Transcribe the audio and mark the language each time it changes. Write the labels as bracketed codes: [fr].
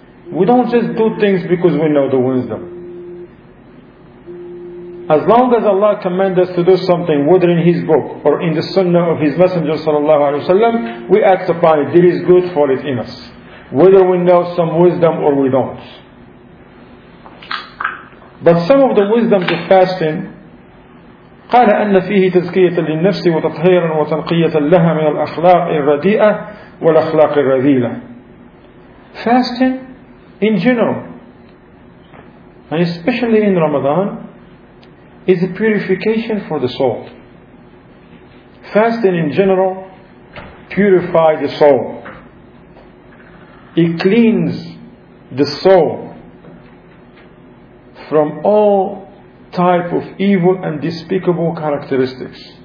[en] We don't just do things because we know the wisdom. As long as Allah commands us to do something, whether in His book or in the Sunnah of His Messenger sallallahu alaihi wasallam, we act upon it. There is good for it in us, whether we know some wisdom or we don't. But some of the wisdom of fasting, [ar] قال أن فيه تزكية للنفس وتطهيرا وتنقية لها من الأخلاق الرديئة والأخلاق الرذيلة. [en] Fasting in general, and especially in Ramadan, is a purification for the soul. Fasting in general purifies the soul. It cleans the soul from all type of evil and despicable characteristics.